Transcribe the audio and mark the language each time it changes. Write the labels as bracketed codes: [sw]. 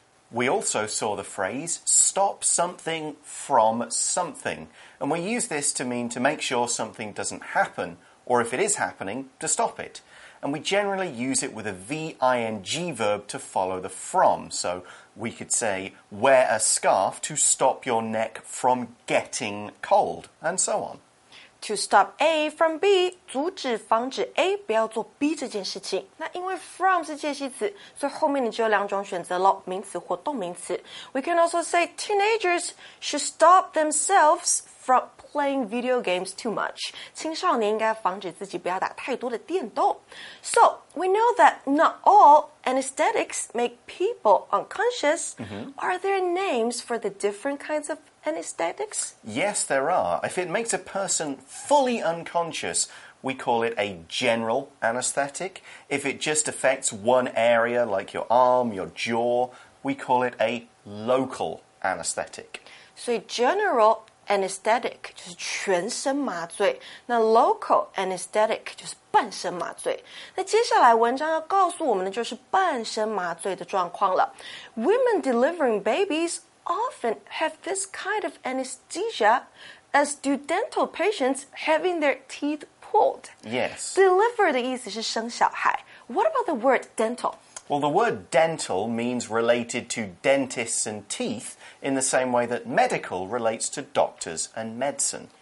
[en] We also saw the phrase stop something from something, and we use this to mean to make sure something doesn't happen, or if it is happening, to stop it. And we generally use it with a V-I-N-G verb to follow the from, so we could say wear a scarf to stop your neck from getting cold, and so on. To stop A from B, [zh] 阻止防止 A 不要做 B 这件事情。那因为 from 是介系词，所以后面你只有两种选择了，名词或动名词。 [en] We can also say teenagers should stop themselves from playing video games too much. [zh] 青少年应该防止自己不要打太多的电动。 [en] So, we know that not all anesthetics make people unconscious.、 Mm-hmm. Are there names for the different kinds of anesthetics? Yes, there are. If it makes a person fully unconscious, we call it a general anesthetic. If it just affects one area, like your arm, your jaw, we call it a local anesthetic. [zh] So general anesthetic 就是全身麻醉，那 local anesthetic 就是半身麻醉。那接下来文章要告诉我们的就是半身麻醉的状况了。 [en] Women delivering babies often have this kind of anesthesia, as do dental patients having their teeth pulled. Yes. Deliver [zh] 的意思是生小孩。 [en] What about the word dental? Well, the word dental means related to dentists and teeth in the same way that medical relates to doctors and medicine.